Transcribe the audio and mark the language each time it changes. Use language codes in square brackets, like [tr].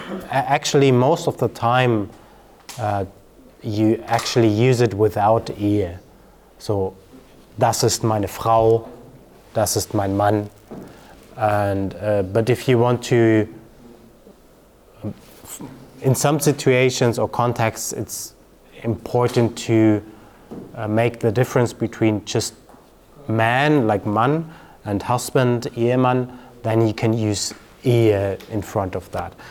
[en] Actually, most of the time, you actually use it without ihr. [de] So, das ist meine Frau, das ist mein Mann. [en] And but if you want to, in some situations or contexts, it's important to make the difference between just man, like man, and husband, Ehemann, then you can use Ehe in front of that.